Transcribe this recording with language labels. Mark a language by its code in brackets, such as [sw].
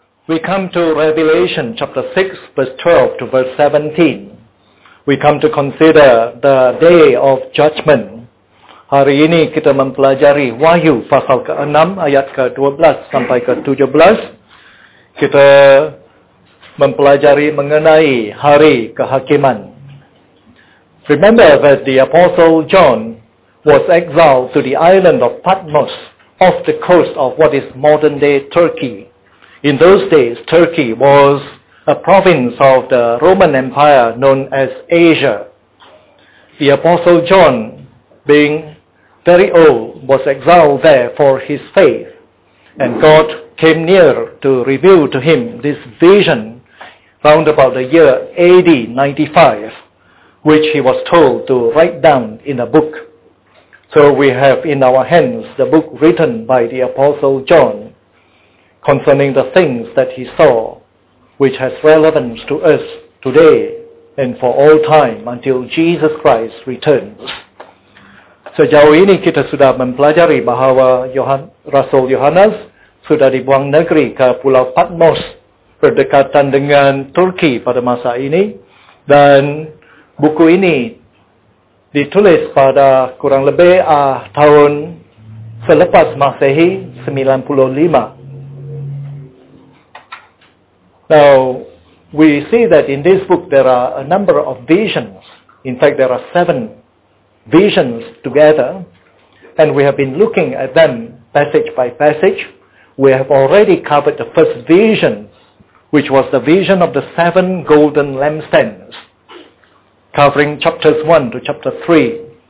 [en] We come to Revelation chapter 6, verse 12 to verse 17. We come to consider the day of judgment. [ms] Hari ini kita mempelajari Wahyu pasal ke-6 ayat ke-12 sampai ke-17. Kita mempelajari mengenai hari kehakiman. [en] Remember that the Apostle John was exiled to the island of Patmos off the coast of what is modern-day Turkey. In those days, Turkey was a province of the Roman Empire known as Asia. The Apostle John, being very old, was exiled there for his faith. And God came near to reveal to him this vision round about the year AD 95, which he was told to write down in a book. So we have in our hands the book written by the Apostle John concerning the things that he saw, which has relevance to us today and for all time until Jesus Christ returns. [ms] Sejauh ini kita sudah mempelajari bahawa Rasul Yohanes sudah dibuang negeri ke Pulau Patmos berdekatan dengan Turki pada masa ini, dan buku ini ditulis pada kurang lebih tahun selepas Masehi 95. [en] Now, we see that in this book there are a number of visions. In fact, there are 7 visions together, and we have been looking at them passage by passage. We have already covered the first vision, which was the vision of the 7 golden lampstands, covering chapters 1 to chapter 3.